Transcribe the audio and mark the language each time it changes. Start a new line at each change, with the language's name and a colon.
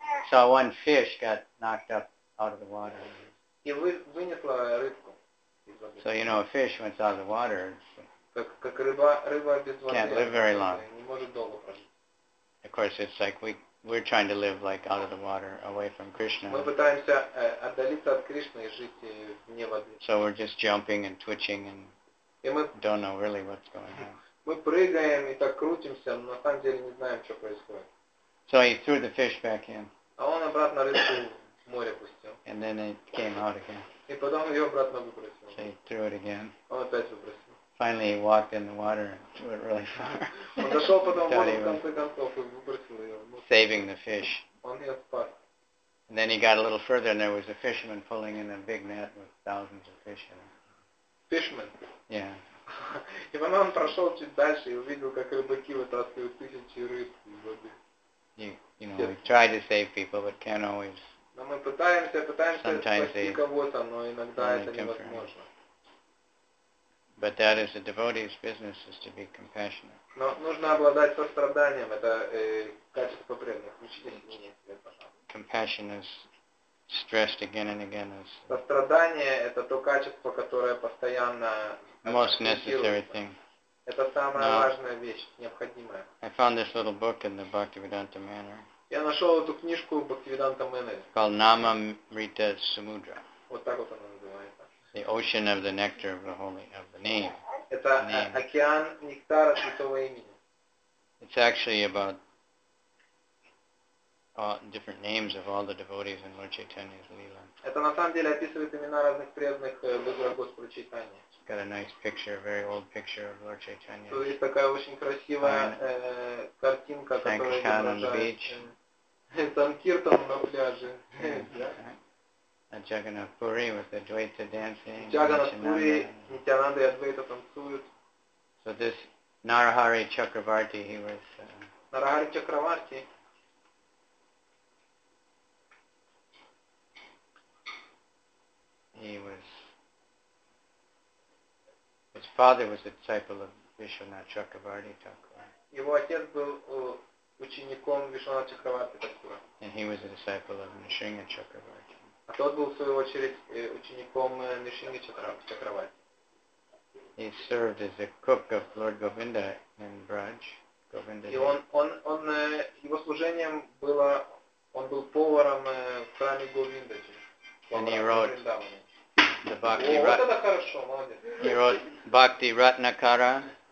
English: So one fish got knocked up out of the water.
Russian: И вынесла рыбку.
English: So you know, a fish went out of the water.
Russian: Как рыба без воды.
English: Can't live very long.
Russian: Не может долго прожить.
English: Of course, it's like we're trying to live like out of the water, away from Krishna.
Russian: Мы пытаемся отдалиться от Кришны и жить вне воды.
English: So we're just jumping and twitching and don't know really what's going on.
Russian: Мы прыгаем и так крутимся, но на самом деле не знаем, что происходит.
English: So he threw the fish back in.
Russian: А он обратно рыбку в море пустил.
English: And then it came out again.
Russian: И потом ее обратно выбросил.
English: So he threw it again.
Russian: Он опять выбросил.
English: Finally he walked in the water and threw it really far.
Russian: Он дошел потом в воду в конце концов и выбросил ее.
English: Saving the fish.
Russian: Он ее спас.
English: And then he got a little further and there was a fisherman pulling in a big net with thousands of fish in it. Fishman? Yeah.
Russian: И потом он прошел чуть дальше и увидел, как рыбаки вытаскивают тысячи рыб из воды.
English: We try to save people, but can't always.
Russian: Но мы пытаемся спасти кого-то, но иногда это невозможно.
English: But that is a devotee's business, is to be compassionate.
Russian: Но нужно обладать состраданием, это качество преданных. Включите мне это.
English: Compassion is stressed again and again as.
Russian: Сострадание — это то качество, которое постоянно.
English: Most necessary thing.
Russian: Это самая важная вещь, необходимая.
English: I found this little book in the Bhaktivedanta Manor.
Russian: Я нашел эту книжку в Бхактивиданта Мэннере.
English: Called Namamrita Samudra.
Russian: Вот так вот она называется.
English: The ocean of the nectar of the holy of the name.
Russian: Это океан нектара святого имени.
English: It's actually about different names of all the devotees in Lord Chaitanya's Leela.
Russian: Это на самом деле описывает имена разных преданных в Лила Господа Чайтанья.
English: Got a nice picture, a very old picture of Lord Chaitanya.
Russian: Тут есть такая очень красивая картинка, которая изображает Санкиртан на пляже.
English: A Jagannath Puri with the Dvaita dancing.
Russian: Jagannath Puri, Nityananda и Advaita танцуют.
English: So this Narahari Chakravarti, he was. Narahari Chakravarti. He was. His father was a disciple of Vishwanath Chakravarti Thakura.
Russian: Его отец был учеником Вишванат Чакраварти Такура.
English: And he was a disciple of Нришинга Чакраварти.
Russian: А тот был в свою очередь учеником Нришинги Чакраварти.
English: He served as a cook of Lord Govinda in Braj. Govinda.
Russian: И он его служением было, он был поваром в храме Говинда.
English: And he wrote the Bhakti Ratnakara. He wrote Bhakti Ratnakara.